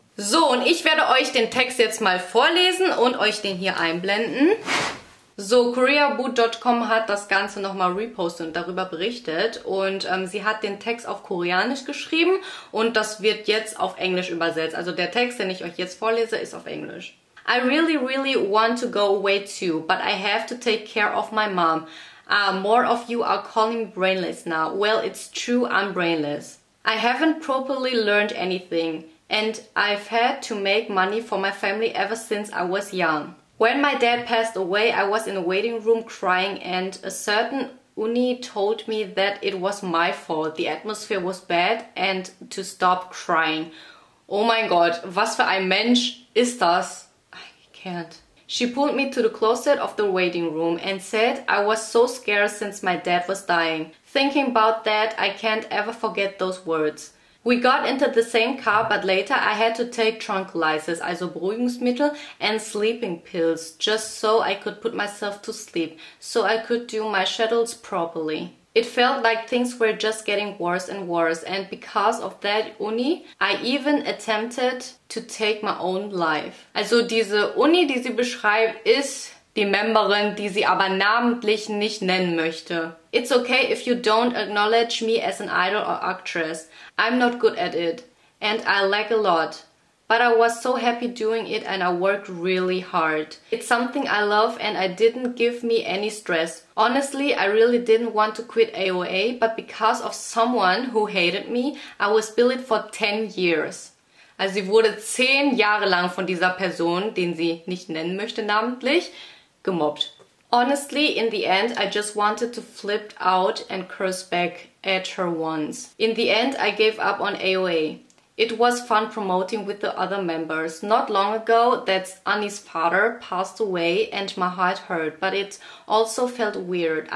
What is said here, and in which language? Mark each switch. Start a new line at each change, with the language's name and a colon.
German: So, und ich werde euch den Text jetzt mal vorlesen und euch den hier einblenden. So, KoreaBoot.com hat das Ganze nochmal repostet und darüber berichtet und sie hat den Text auf Koreanisch geschrieben und das wird jetzt auf Englisch übersetzt. Also der Text, den ich euch jetzt vorlese, ist auf Englisch.
English: I really, really want to go away too, but I have to take care of my mom. More of you are calling me brainless now. Well, it's true, I'm brainless. I haven't properly learned anything and I've had to make money for my family ever since I was young. When my dad passed away, I was in a waiting room crying and a certain uni told me that it was my fault. The atmosphere was bad and to stop crying.
German: Oh mein Gott, was für ein Mensch ist das?
English: I can't. She pulled me to the closet of the waiting room and said I was so scared since my dad was dying. Thinking about that, I can't ever forget those words. We got into the same car, but later I had to take tranquilizers,
German: also Beruhigungsmittel,
English: and sleeping pills, just so I could put myself to sleep, so I could do my schedules properly. It felt like things were just getting worse and worse, and because of that Uni, I even attempted to take my own life.
German: Also diese Uni, die sie beschreibt, ist die Memberin, die sie aber namentlich nicht nennen möchte.
English: It's okay if you don't acknowledge me as an idol or actress. I'm not good at it and I lack a lot. But I was so happy doing it and I worked really hard. It's something I love and it didn't give me any stress. Honestly, I really didn't want to quit AOA, but because of someone who hated me, I was bullied for 10 years.
German: Also sie wurde 10 Jahre lang von dieser Person, den sie nicht nennen möchte namentlich, gemobbt.
English: Honestly, in the end, I just wanted to flip out and curse back at her once. In the end, I gave up on AOA. It was fun promoting with the other members. Not long ago, that's Annie's father passed away and my heart hurt, but it also felt weird.